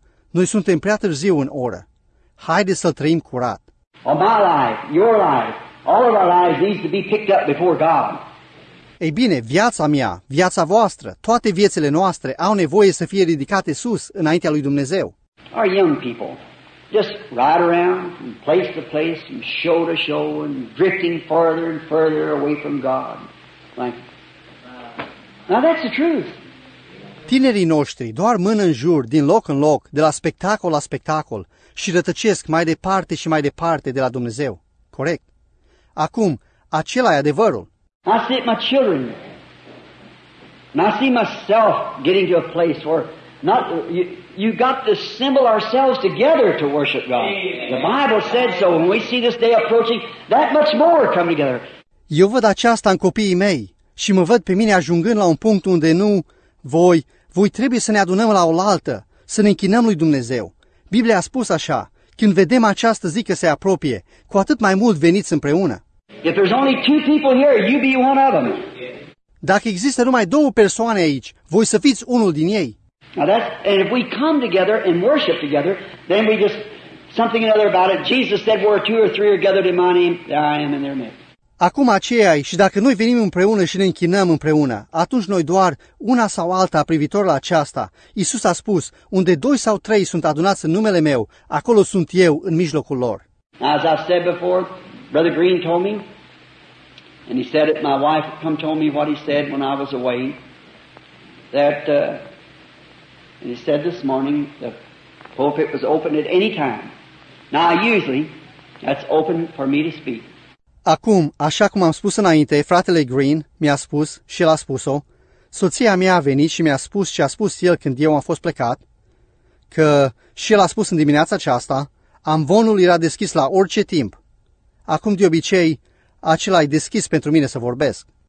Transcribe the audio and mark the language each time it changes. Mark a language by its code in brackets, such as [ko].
[ro] Noi suntem prea târziu în oră. Haideți să-l trăim curat. [en] Oh, my life, your life, all of our lives needs to be picked up before God. [ro] Ei bine, viața mea, viața voastră, toate viețile noastre au nevoie să fie ridicate sus înaintea lui Dumnezeu. [en] Our young people just ride around from place to place, from show to show, and drifting farther and further away from God. Like, now that's the truth. [ro] Tinerii noștri doar mână în jur, din loc în loc, de la spectacol la spectacol, și rătăcesc mai departe și mai departe de la Dumnezeu. Corect. Acum, acela e adevărul. [en] I see my children. And I see myself getting to a place where not... You've got to assemble ourselves together to worship God. The Bible said so. When we see this day approaching, that much more come together. [ro] Eu văd aceasta în copiii mei și mă văd pe mine ajungând la un punct unde nu voi trebuie să ne adunăm la oaltă, să ne închinăm lui Dumnezeu. Biblia a spus așa, când vedem această zi că se apropie, cu atât mai mult veniți împreună. [en] If there's only two people here, you be one of them. [ro] Dacă există numai două persoane aici, voi să fiți unul din ei. [en] Now that's, and if we come together and worship together, then we just, something or another about it, Jesus said, where two or three are gathered in my name, there I am in their midst. [ro] Acum aceea, și dacă noi venim împreună și ne închinăm împreună, atunci noi doar una sau alta privitor la aceasta. Iisus a spus, unde doi sau trei sunt adunați în numele meu, acolo sunt eu în mijlocul lor. [en] As I said before, Brother Green told me, and he said it, my wife come told me what he said when I was away, that, and he said this morning, the pulpit was open at any time. Now usually, that's open for me to speak. [ro] Acum, așa cum am spus înainte, fratele Green mi-a spus și el a spus-o, soția mea a venit și mi-a spus ce a spus el când eu am fost plecat, că și el a spus în dimineața aceasta, amvonul era deschis la orice timp. Acum, de obicei, acela e deschis pentru mine să vorbesc.